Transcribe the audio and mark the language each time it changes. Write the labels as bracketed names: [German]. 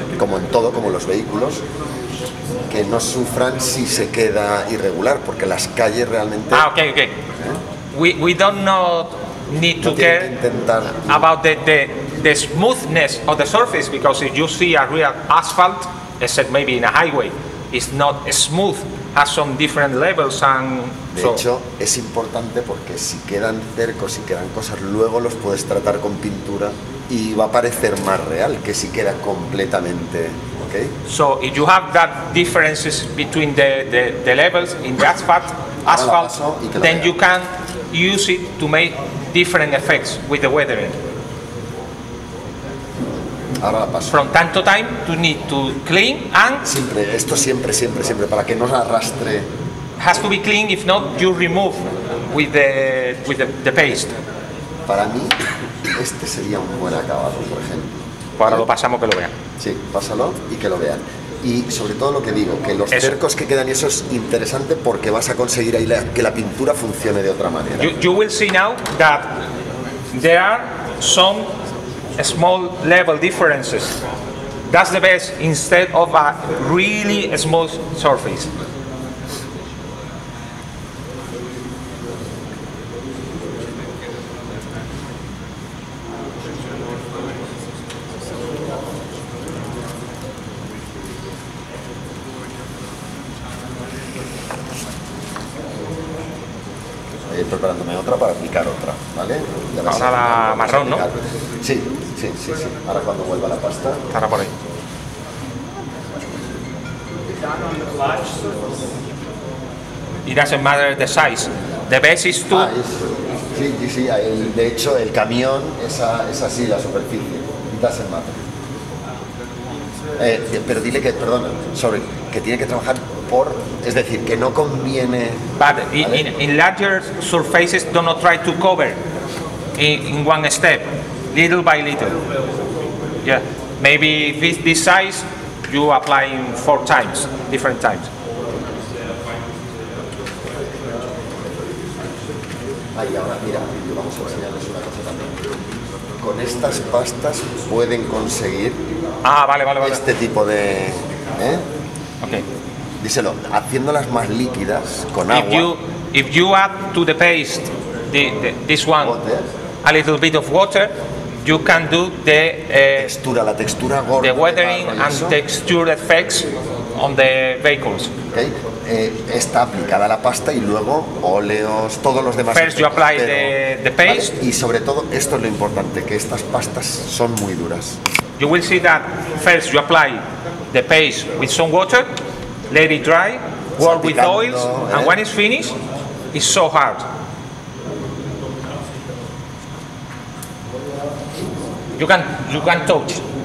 [Spanish] Como en todo, como los vehículos, que no sufran si se queda irregular, porque las calles realmente. [English] Ah, okay. We don't not need to care about the smoothness of the surface, because if you see a real asphalt, except maybe in a highway, it's not smooth, has some different levels and [Spanish] de hecho es importante porque si quedan cercos, si quedan cosas, luego los puedes tratar con pintura y va a parecer más real que si queda completamente. Okay. So if you have that differences between the levels in the asphalt, then you can use it to make different effects with the weathering. Ahora la paso. [English] From time to time, you need to clean and [Spanish] siempre esto siempre para que no arrastre. [English] Has to be clean. If not, you remove with the paste. [Spanish] Para mí este sería un buen acabado, por ejemplo. Ahora lo pasamos, que lo vean. Sí, pásalo y que lo vean. Y sobre todo lo que digo, que los cercos que quedan, y eso es interesante porque vas a conseguir ahí que la pintura funcione de otra manera. [English] You will see now that there are some small level differences. That's the best instead of a really small surface. [Spanish] Preparándome otra para aplicar otra, ¿vale? Ahora sí, la marrón, ¿no? Sí. Ahora cuando vuelva la pasta. Estará por ahí. [English] It doesn't matter the size. The best is to. [Spanish] Sí. De hecho, el camión es así, la superficie. [English] It doesn't matter. [Spanish] Pero dile que, perdona, sorry, que tiene que trabajar. Por, es decir, que no conviene. [English] But in larger surfaces, do not try to cover in one step, little by little. Yeah, maybe this size you apply in four times, different times. [Spanish] Ahí ahora mira, vamos a enseñarles una cosa también. Con estas pastas pueden conseguir. Ah, vale. Este tipo de. [English] Okay. [Spanish] Díselo, haciéndolas más líquidas con [English] if [Spanish] agua. [English] If you add to the paste this one water, a little bit of water, you can do the [Spanish] textura, la textura gorda, [English] the weathering and texture effects on the vehicles. Okay. [Spanish] Está aplicada la pasta y luego óleos, todos los demás. [English] First efectos, you apply [Spanish] pero, [English] the paste. [Spanish] ¿Vale? Y sobre todo esto es lo importante, que estas pastas son muy duras. [English] You will see that first you apply the paste with some water. Let it dry, work with oils, and when it's finished, it's so hard. You can touch.